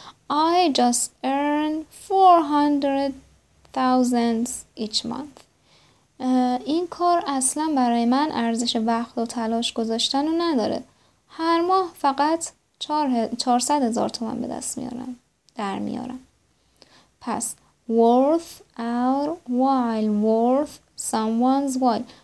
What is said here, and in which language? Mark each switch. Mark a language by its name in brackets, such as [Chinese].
[English] I just earn 400 thousands each month. [Persian] این کار اصلا برای من ارزش وقت و تلاش گذاشتن رو نداره. هر ماه فقط 400,000 تومان به دست میارم. در میارم. پس [English] worth our while, worth someone's while.